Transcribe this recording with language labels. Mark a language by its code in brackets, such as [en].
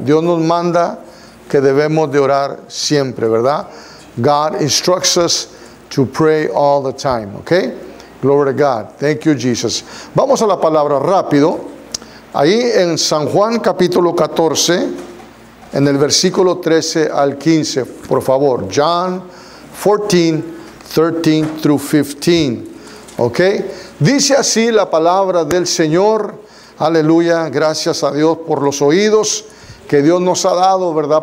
[es] Dios nos manda que debemos de orar siempre, ¿verdad? [en] God instructs us to pray all the time, okay? Glory to God. Thank you, Jesus. [es] Vamos a la palabra rápido. Ahí en San Juan capítulo 14, en el versículo 13 al 15, por favor. [en] John 14, 13 through 15, okay? [es] Dice así la palabra del Señor. Aleluya, gracias a Dios por los oídos que Dios nos ha dado, ¿verdad?